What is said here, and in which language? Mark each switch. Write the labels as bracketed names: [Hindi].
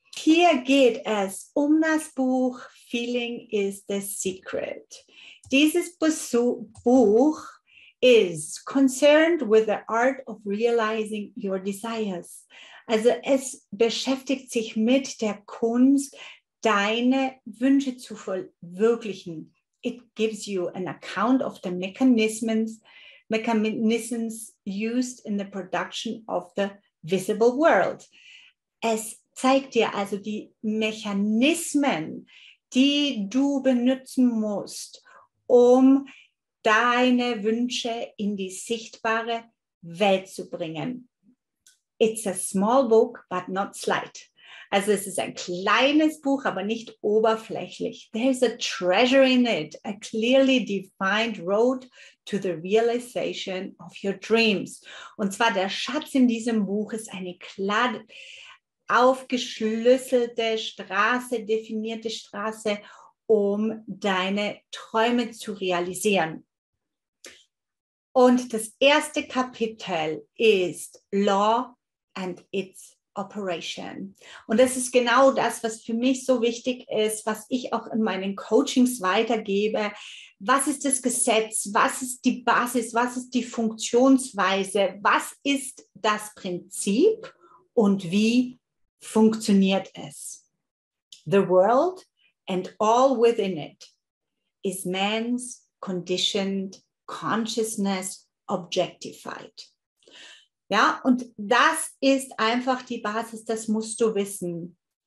[German] Hier geht es um das Buch Feeling is the Secret. Dieses Buch ist [English] concerned with the art of realizing your desires. [German] Also es beschäftigt sich mit der Kunst, deine Wünsche zu verwirklichen. [English] It gives you an account of the mechanisms used in the production of the visible world. [German] Es zeigt dir also die Mechanismen, die du benutzen musst, um deine Wünsche in die sichtbare Welt zu bringen. [English] It's a small book, but not slight. [German] Also es ist ein kleines Buch, aber nicht oberflächlich. [English] There's a treasure in it, a clearly defined road to the realization of your dreams. [German] Und zwar der Schatz in diesem Buch ist eine klar aufgeschlüsselte Straße, definierte Straße, um deine Träume zu realisieren. Und das erste Kapitel ist Law and its Operation. Und das ist genau das, was für mich so wichtig ist, was ich auch in meinen Coachings weitergebe. Was ist das Gesetz? Was ist die Basis? Was ist die Funktionsweise? Was ist das Prinzip? Und wie funktioniert es? [English] The world and all within it is man's conditioned consciousness objectified. [German] Ja, und das ist einfach die Basis, das musst du wissen.